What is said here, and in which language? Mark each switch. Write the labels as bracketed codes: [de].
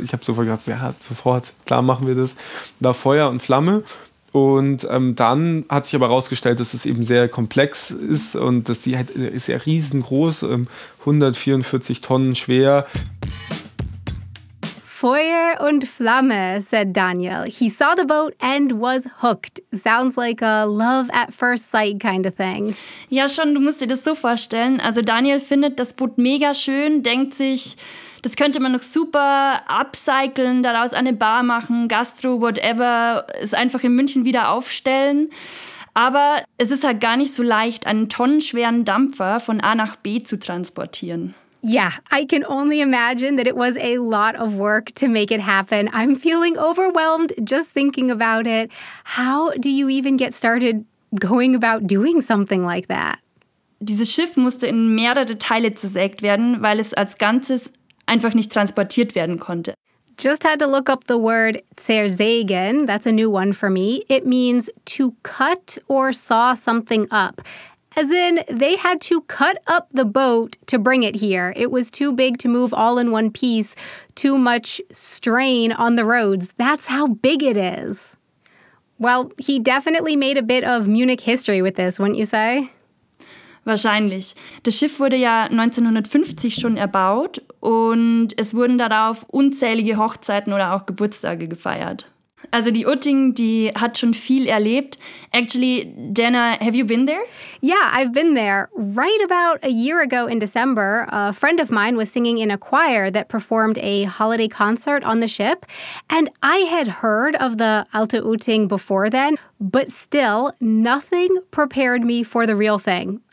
[de] Ich habe sofort gesagt, ja, sofort, klar machen wir das. Da Feuer und Flamme. Und dann hat sich aber herausgestellt, dass es eben sehr komplex ist und dass die halt, ist ja riesengroß, 144 Tonnen schwer. Feuer und Flamme, [en] said Daniel. He saw the boat and was hooked. Sounds like a love at first sight kind of thing. [de] Ja schon, du musst dir das so vorstellen. Also Daniel findet das Boot mega schön, denkt sich, das könnte man noch super upcyclen, daraus eine Bar machen, Gastro, whatever, es einfach in München wieder aufstellen. Aber es ist halt gar nicht so leicht, einen tonnenschweren Dampfer von A nach B zu transportieren. [en] Yeah, I can only imagine that it was a lot of work to make it happen. I'm feeling overwhelmed just thinking about it. How do you even get started going about doing something like that? [de] Dieses Schiff musste in mehrere Teile zersägt werden, weil es als Ganzes einfach nicht transportiert werden konnte. [en] Just had to look up the word zersägen. That's a new one for me. It means to cut or saw something up. As in, they had to cut up the boat to bring it here. It was too big to move all in one piece. Too much strain on the roads. That's how big it is. Well, he definitely made a bit of Munich history with this, wouldn't you say? [de] Wahrscheinlich. Das Schiff wurde ja 1950 schon erbaut und es wurden darauf unzählige Hochzeiten oder auch Geburtstage gefeiert. Also die Utting, die hat schon viel erlebt. [en] Actually, Dana, have you been there? Yeah, I've been there. Right about a year ago in December, a friend of mine was singing in a choir that performed a holiday concert on the ship. And I had heard of the Alte Utting before then, but still, nothing prepared me for the real thing.